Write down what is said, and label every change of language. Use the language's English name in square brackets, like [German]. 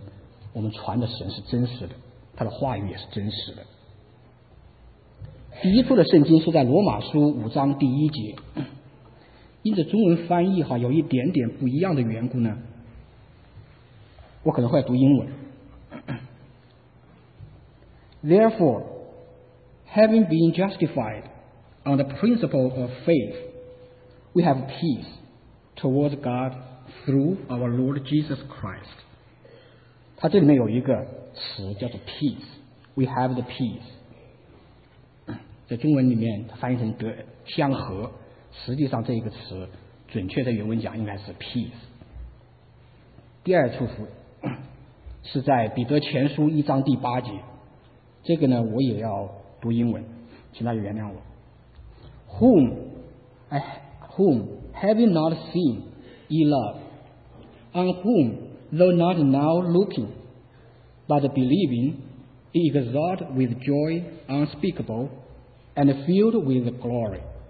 [Chinese] 在开始以前，我们还是先读一点圣经。每一次跟弟兄姊妹在一起啊，我实在是觉得我们在一起要多读主的话语。别人是跟我说传福音呐、啊，你就多讲点见证。很多人跟我这样说，但是我个人里面有个深处的感觉，我们多读一点主的话语。一方面让弟兄姊妹们感受到主话语的宝贵，另一方面呢，也能够让福音朋友们看到我们所信的神，我们传的神是真实的。他的话语也是真实的。第一处的圣经是在罗马书五章第一节，因着中文翻译哈有一点点不一样的缘故呢，我可能会读英文。 [English] Therefore, having been justified on the principle of faith, we have peace towards God through our Lord Jesus Christ. [Chinese] 它这里面有一个词叫做 peace. [English] We have the peace. [Chinese] 在中文里面翻译成得相和，实际上这一个词准确的原文讲应该是 peace。第二处是在彼得前书一章第八节，这个呢我也要读英文，请大家原谅我。 [English] whom having not seen ye love, on whom though not now looking but believing ye exult with joy unspeakable and filled with glory。